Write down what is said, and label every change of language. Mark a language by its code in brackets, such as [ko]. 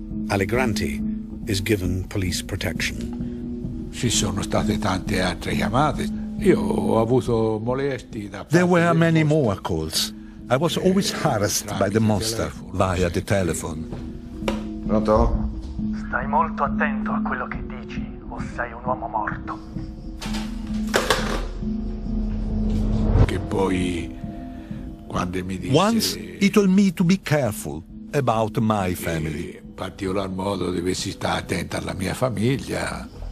[en] Allegranti is given police protection. [it] Ci sono state tante altre chiamate. Io ho avuto molesti da parte. [en] There were many more calls. I was always harassed by the monster via the telephone. [it] Pronto? Stai molto attento a quello che dici, o sei un uomo morto. Che poi, quando mi disse... [en] Once he told me to be careful about my family. [it] In particolar modo dovessi stare attento alla mia famiglia.